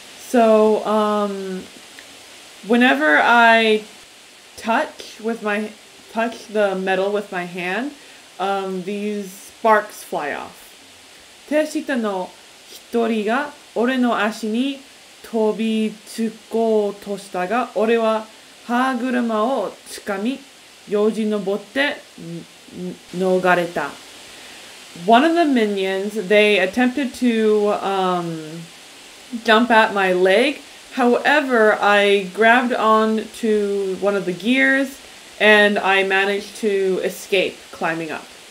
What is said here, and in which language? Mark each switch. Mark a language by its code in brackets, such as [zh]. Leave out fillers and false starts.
[en] So, whenever I touch the metal with my hand, these sparks fly off. [ja] 手下の一人が俺の足に飛びつこうとしたが、俺は歯車をつかみ、用心登って逃れた。 [en] One of the minions, they attempted to, jump at my leg. However, I grabbed on to one of the gears and I managed to escape climbing up.